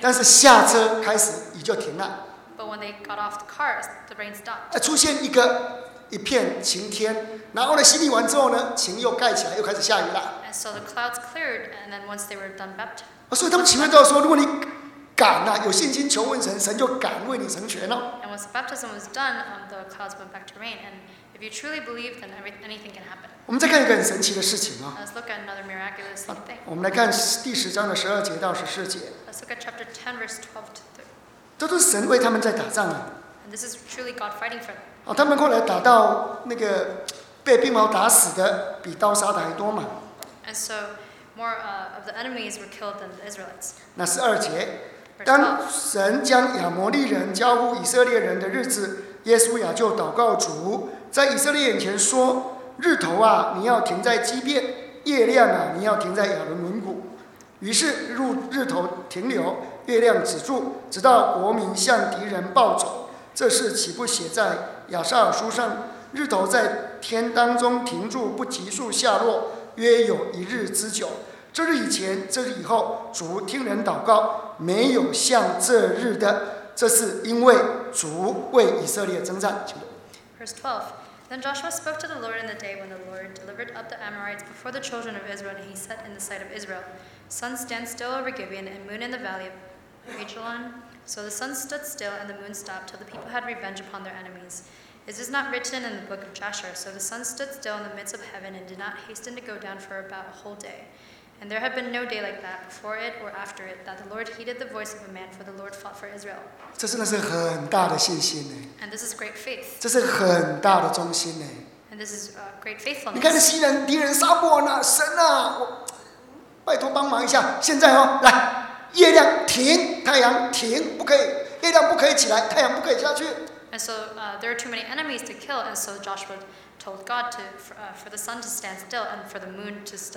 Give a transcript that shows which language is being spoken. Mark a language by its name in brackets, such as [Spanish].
[Chinese] 但是下车开始雨就停了。 [English] But when they got off the car, the rain stopped. [Chinese] 出现一片晴天，然后呢，洗礼完之后呢，晴又盖起来，又开始下雨了。 [English] And so the clouds cleared, and then once they were done baptized. [Chinese] 所以他们前面都要说，如果你敢啊，有信心求问神，神就敢为你成全了、哦。 [English] And once the baptism was done, the clouds went back to rain and If you truly believe, then anything can happen. [Chinese] 我们再看一个很神奇的事情啊。 [English] Let's look at another miraculous thing. [Chinese] 我们来看第十章的十二节到十四节。 [English] Let's look at chapter 10, verse 12 to 13. [Chinese] 这都是神为他们在打仗啊。 [English] And this is truly God fighting for them. [Chinese] 哦，他们后来打到那个被兵矛打死的比刀杀的还多嘛。 [English] And so more of the enemies were killed than the Israelites. [Chinese] 那十二节，当神将亚摩利人交乎以色列人的日子，耶稣亚就祷告主。在以色列眼前说：“日头啊，你要停在基遍；月亮啊，你要停在亚伦轮谷。” 于是日头停留，月亮止住，直到国民向敌人报仇。这事岂不写在亚撒尔书上？日头在天当中停住，不急速下落，约有一日之久。这日以前，这日以后，主听人祷告，没有像这日的。这是因为主为以色列征战。 [English] Verse 12, then Joshua spoke to the Lord in the day when the Lord delivered up the Amorites before the children of Israel, and he said in the sight of Israel, Sun stand still over Gibeon, and moon in the valley of Ajalon. So the sun stood still, and the moon stopped, till the people had revenge upon their enemies. Is this not written in the book of Joshua? So the sun stood still in the midst of heaven, and did not hasten to go down for about a whole day. And there had been no day like that, before it or after it, that the Lord heeded the voice of a man, for the Lord fought for Israel. [Chinese] 这真的是很大的信心呢。 [English] And this is great faith. [Chinese] 这是很大的忠心呢。 [English] And this is great faithfulness. [Chinese] 你看这西人敌人杀不完啊，神啊，我拜托帮忙一下，现在哦，来，月亮停，太阳停，不可以，月亮不可以起来，太阳不可以下去。 [English] And so there are too many enemies to kill, and so Joshua told God to for the sun to stand still and for the moon to stand.